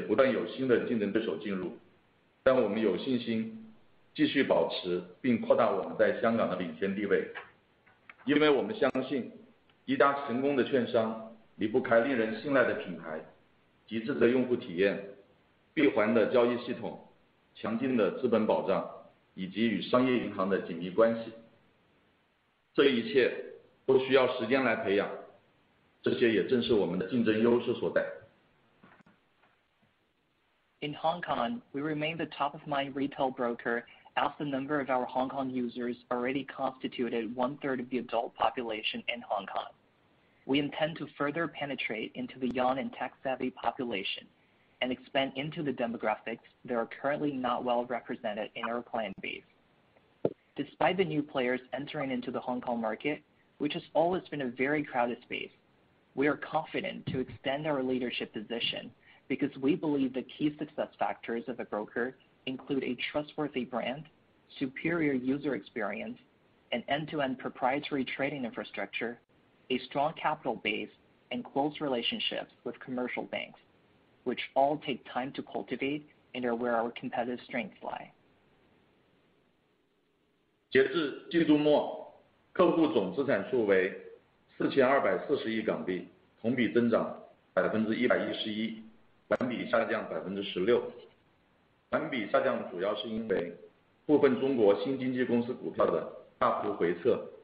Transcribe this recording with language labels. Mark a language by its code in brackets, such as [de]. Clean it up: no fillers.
[zh] 作为香港市场上客户的首选券商，我们的香港用户数量已占香港成年人口的1/3。我们计划进一步提升我们在年轻客群中的渗透率，并向我们目前渗透率还不高的其他客户群体拓展。香港市场本就竞争激烈，且不断有新的竞争对手进入。但我们有信心继续保持并扩大我们在香港的领先地位，因为我们相信，一家成功的券商离不开令人信赖的品牌、极致的用户体验、闭环的交易系统、强劲的资本保障以及与商业银行的紧密关系。这一切都需要时间来培养，这些也正是我们的竞争优势所在。 [en] In Hong Kong, we remain the top-of-mind retail broker as the number of our Hong Kong users already constituted 1/3 of the adult population in Hong Kong. We intend to further penetrate into the young and tech-savvy population and expand into the demographics that are currently not well represented in our client base. Despite the new players entering into the Hong Kong market, which has always been a very crowded space, we are confident to extend our leadership position because we believe the key success factors of a broker include a trustworthy brand, superior user experience, an end-to-end proprietary trading infrastructure, a strong capital base, and close relationships with commercial banks, which all take time to cultivate and are where our competitive strengths lie. [zh] 截至季度末, 客户总资产数为 4240亿港币, 同比增长 111%, 环比下降 16%, 环比下降主要是因为部分中国新经济公司股票的大幅回撤,